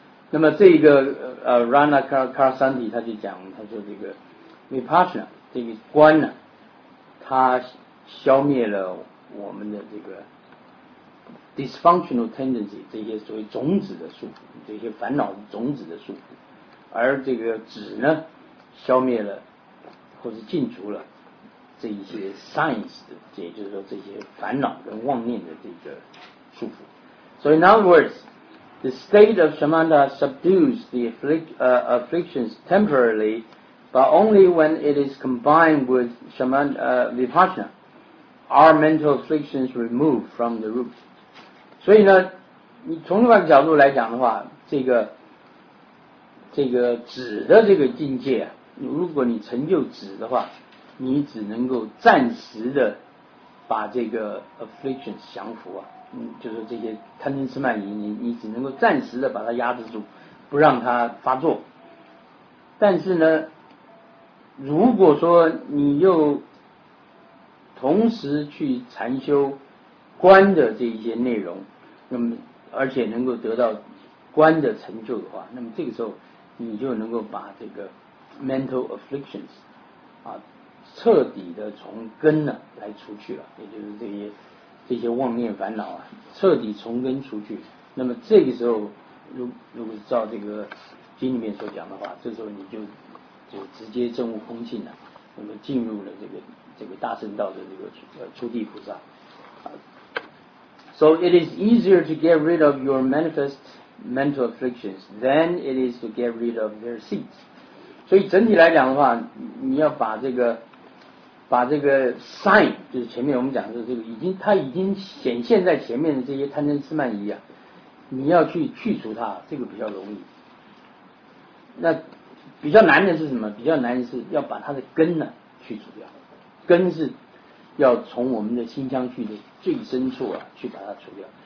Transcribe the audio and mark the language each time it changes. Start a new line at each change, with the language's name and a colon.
Chinese: 那么这个Rana Karasanti 他就讲，他说这个Vipassana 这个观呢，它消灭了我们的这个
English: dysfunctional tendency
Chinese: 这些所谓种子的束缚，这些烦恼种子的束缚，而这个止呢，消灭了或是禁除了这一些 signs 的，也就是说这些烦恼跟妄念的这个束缚。
English: So in other words, the state of Shamatha subdues the afflictions temporarily. But only when it is combined with Vipassana, are mental afflictions removed from the root.
Chinese: 所以呢，你从另外一个角度来讲的话，这个止的这个境界如果你成就止的话，你只能够暂时的把这个 afflictions 降服就是这些贪嗔痴慢疑，你只能够暂时的把它压制住，不让它发作。但是呢，如果说你又同时去禅修观的这一些内容，那么而且能够得到观的成就的话，那么这个时候你就能够把这个
English: mental afflictions
Chinese: 彻底的从根呢来除去了，也就是这些妄念烦恼彻底从根除去，那么这个时候如果照这个经里面所讲的话，这时候你就直接证悟空性了，那么进入了这个大乘道的这个初地菩萨。
English: So it is easier to get rid of your manifest mental afflictions than it is to get rid of their seeds.
Chinese: 所以整体来讲的话，你要把这个 sign， 就是前面我们讲的这个它已经显现在前面的这些贪嗔痴慢疑啊，你要去去除它，这个比较容易。那比较难的是什么？比较难的是要把它的根呢去除掉，根是要从我们的心腔去的最深处啊去把它除掉。